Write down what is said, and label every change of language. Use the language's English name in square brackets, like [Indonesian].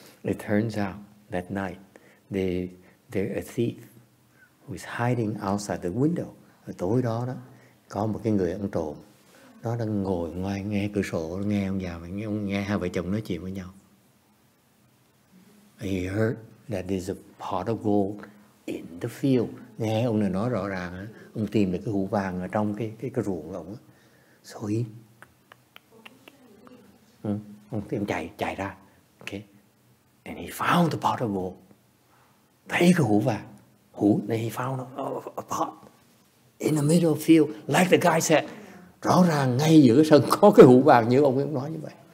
[English] It turns out that night there a thief who is hiding outside the window. [Vietnamese] Tối đó đó có một cái người ăn trộm, nó đang ngồi ngoài nghe cửa sổ, nghe ông già và nghe hai vợ chồng nói chuyện với nhau. [English] He heard that there's a pot of gold in the field. [Vietnamese] Nghe ông này nói rõ ràng á, ông tìm được cái hũ vàng ở trong cái ruộng ông á. [English] So he [Vietnamese] ông tìm chạy ra. Okay. [English] And he found the pot of gold. [Vietnamese] Thấy cái hũ vàng. Hũ này [English] he found a pot in the middle of the field, like the guy said. [Vietnamese] Rõ ràng ngay giữa sân có cái hũ vàng như ông ấy nói như vậy.